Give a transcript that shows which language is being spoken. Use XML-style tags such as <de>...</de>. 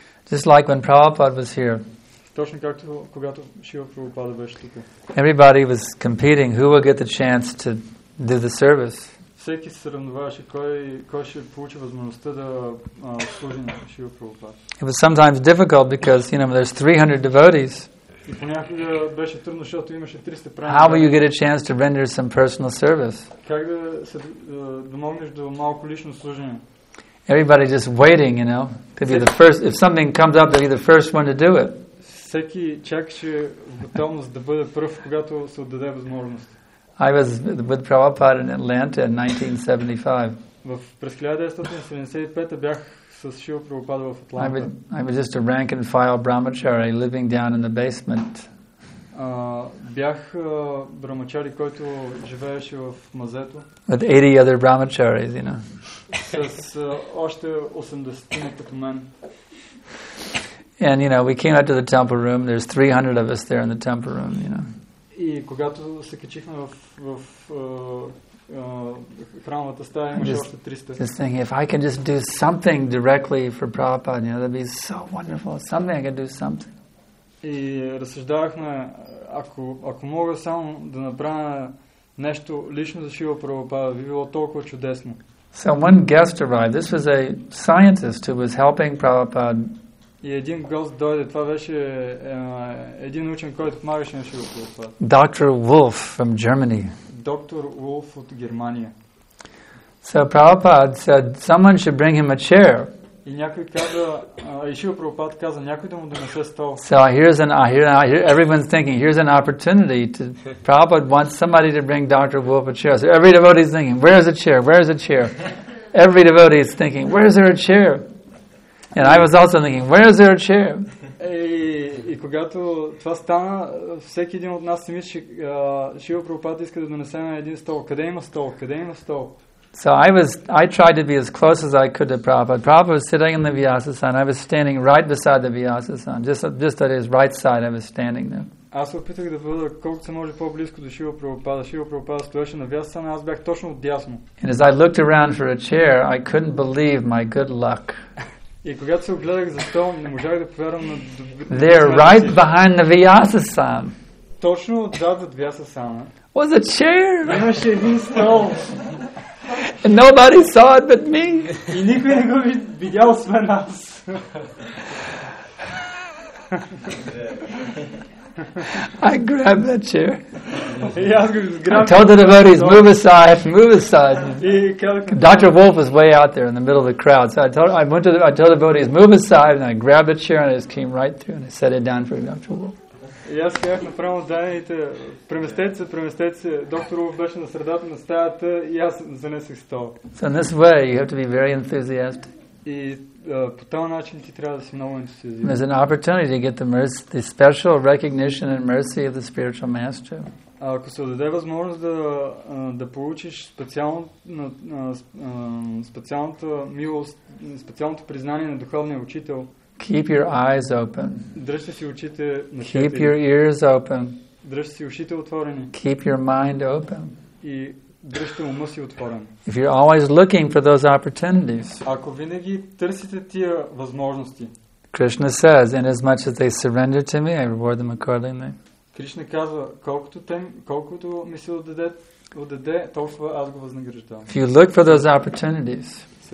<en>Just like when Prabhupada was here.</en> <bg>Точно както когато Шрила Прабхупада беше тук.</bg> <en>Everybody was competing who will get the chance to do the service.</en> <bg>Всеки се съревноваваше кой ще получи възможността да служи на Шрила Прабхупада.</bg> <en>It was sometimes difficult because, you know, there's 300 devotees.</en> <bg>И понякога беше трудно, защото имаше 300 прави.</bg> <en>How will you get a chance to render some personal service?</en> <bg>Как да се домогнеш до малко лично служение?</bg> <en>Everybody just waiting, you know. Could be the first. If something comes up, they'll be the first one to do it.</en> <bg>Всеки чакаше готовност да бъде пръв, когато се отдаде възможност.</bg> <en>I was with Prabhupada in Atlanta in 1975. I was just a rank and file brahmachari living down in the basement. With 80 other brahmacharis, you know. And, you know, we came out to the temple room. There's 300 of us there in the temple room, you know.</en> <bg>И когато се качихме в храмовата стая, имаше още 300.</bg> <en>Just thinking, if I can just do something directly for Prabhupada, you know, that'd be so wonderful. Something I can do something.</en> <bg>И разсъждавахме, ако мога само да направя нещо лично за Шива Прабхупада, би било толкова чудесно.</bg> <en>So one guest arrived. This was a scientist who was helping Prabhupada.</en> <bg>И един гост дойде. Това беше един учен, който помагаше на Шрила Прабхупада. Доктор Вулф от Германия. Доктор Вулф от Германия.</bg> <en>So Prabhupada said someone should bring him a chair.</en> <bg>И някой каза, и Шрила Прабхупада каза, някой да му донесе стол.</bg> <en>So here's an everyone's thinking, here's an opportunity to Prabhupada wants somebody to bring Dr. Wolf a chair. So every devotee is thinking, where is a chair? Where is a chair? Every devotee is thinking, where is there a chair? And I was also thinking, where is there a chair?</en> <bg>И когато това стана, всеки един от нас си мисли, Шрила Прабхупада иска да донесе един стол. Къде има стол? Къде има стол?</bg> <en>So I tried to be as close as I could to Prabhupada. Prabhupada was sitting in the Vyasasan. I was standing right beside the Vyasasan. Just at his right side, I was standing there.</en> <bg>Аз опитах да бъда колкото се може по-близко до Шрила Прабхупада. Шрила Прабхупада стоеше на Вясана, аз бях точно отдясно.</bg> <en>And as I looked around for a chair, I couldn't believe my good luck.</en> <bg>И когато се огледах за стол, не можах да повярвам на</bg> <en>There, right behind the Vyasasan.</en> <bg>Точно отзад от Вясасана.</bg> <en>Was a chair.</en> <bg>Имаше един стол.</bg> <en>And nobody saw it but me.</en> <bg>И никой не го видял освен нас.</bg> <en>I grabbed that chair. I told the devotees, move aside. Dr. Wolf was way out there in the middle of the crowd. So I told the devotees, move aside, and I grabbed a chair and I just came right through and I set it down for Dr. Wolf.</en> <bg>И аз казах направо дайте, преместете се, доктор Уф беше на средата на стаята и аз занесех стол.</bg> <en>So in this way you have to be very enthusiastic.</en> <bg>И по този начин ти трябва да си много ентусиазиран.</bg> <en>There's an opportunity to get the special recognition and mercy of the spiritual master.</en> <bg>Ако се даде възможност да получиш специалното признание на духовния учител.</bg> <en>Keep your eyes open.</en> <bg>Дръжте си очите на четири.</bg> <en>Keep your ears open.</en> <bg>Дръжте си ушите отворени.</bg> <en>Keep your mind open.</en> <bg>И дръжте ума си отворен.</bg> <en>If you're always looking for those opportunities.</en> <bg>Ако винаги търсите тия възможности.</bg> <en>Krishna says, inasmuch as they surrender to me, I reward them accordingly.</en> <bg>Кришна казва, колкото ми се отдаде, толкова аз го възнаграждавам.</bg> <en>If you look for those opportunities.</en>